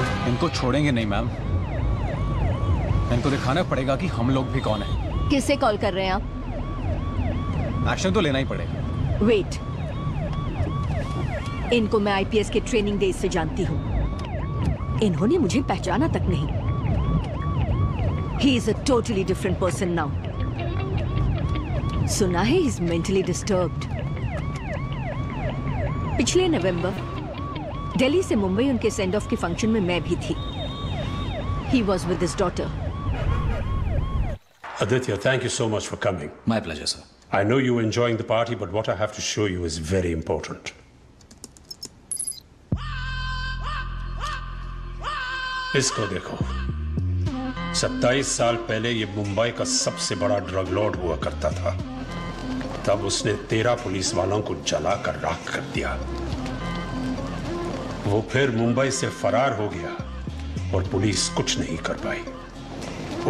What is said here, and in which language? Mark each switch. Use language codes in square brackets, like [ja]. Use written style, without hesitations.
[hi] इनको छोड़ेंगे नहीं मैम, इनको दिखाना पड़ेगा कि हम लोग भी कौन है। किसे कॉल कर रहे हैं आप? एक्शन तो लेना ही पड़ेगा। वेट, इनको मैं आईपीएस के ट्रेनिंग डेज से जानती हूँ, इन्होंने मुझे पहचाना तक नहीं। [en] He is a totally different person now. [hi] सुना है [en] he's mentally disturbed. [hi] पिछले नवंबर दिल्ली से मुंबई उनके सेंड ऑफ के फंक्शन में मैं भी थी। [en] He was with his daughter. Aditya, thank you so much for coming. My pleasure, sir. I know you're enjoying the party, but what I have to show you is very important. [hi] इसको देखो, 27 साल पहले ये मुंबई का सबसे बड़ा drug Lord हुआ करता था। तब उसने 13 पुलिस वालों को जला कर राख कर दिया। वो फिर मुंबई से फरार हो गया और पुलिस कुछ नहीं कर पाई।